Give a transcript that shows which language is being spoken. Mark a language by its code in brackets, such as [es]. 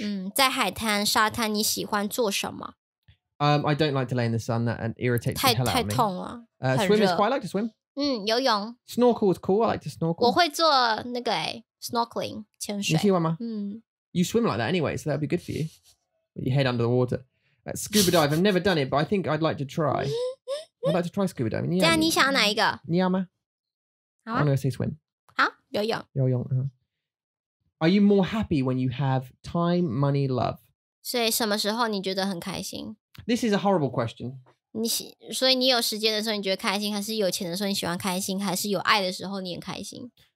[zh] 嗯，在海滩、沙滩，你喜欢做什么 [en] ？I don't like to lay in the sun. That irritates the hell out of me. [zh] 太痛了。 [en] Swim is quite. I like to swim. [zh] 嗯，游泳。 [en] Snorkel is cool. I like to snorkel. [zh] 我会做那个snorkeling 潜水。你喜欢吗？嗯。 [en] You swim like that anyway, so that'd be good for you. With your head under the water. Scuba dive, I've never done it, but I think I'd like to try. I'd like to try scuba diving. [zh] 对啊，你想要哪一个？你要吗？好啊。 [en] I'm gonna say swim. [zh] 好，游泳。游泳。Uh-huh. [en] Are you more happy when you have time, money, love? [zh] 所以什么时候你觉得很开心？ [en] This is a horrible question. [zh] 所以你有时间的时候你觉得开心，还是有钱的时候你喜欢开心，还是有爱的时候你很开心？